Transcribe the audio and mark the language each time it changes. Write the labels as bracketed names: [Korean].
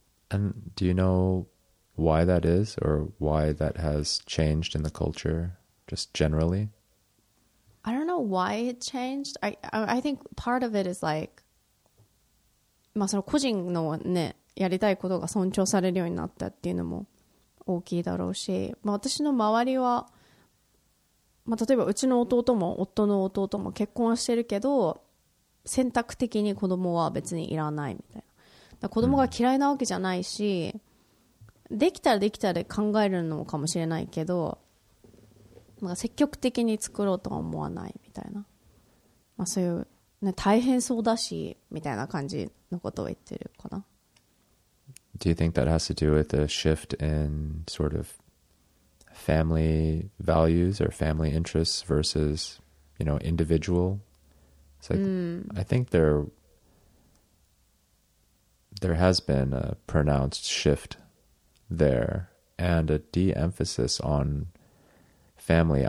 [English] And do you know why that is, or why that has changed in the culture, just generally? I don't know why it changed. I think part of it is like, [Japanese] まあその個人のね、やりたいことが尊重されるようになったっていうのも大きいだろうし、まあ私の周りは、まあ例えばうちの弟も夫の弟も結婚はしてるけど、選択的に子供は別にいらないみたいな。だ子供が嫌いなわけじゃないし、うん、できたらできたら考えるのかもしれないけど、まあ、積極的に作ろうとは思わないみたいな、まあ、そういう、ね、大変そうだしみたいな感じのことを言ってるかな。 [English] Do you think that has to do with a shift in sort of family values or family interests versus, you know, individual? It's like, I think there has been a pronounced shift there and a de-emphasis on family.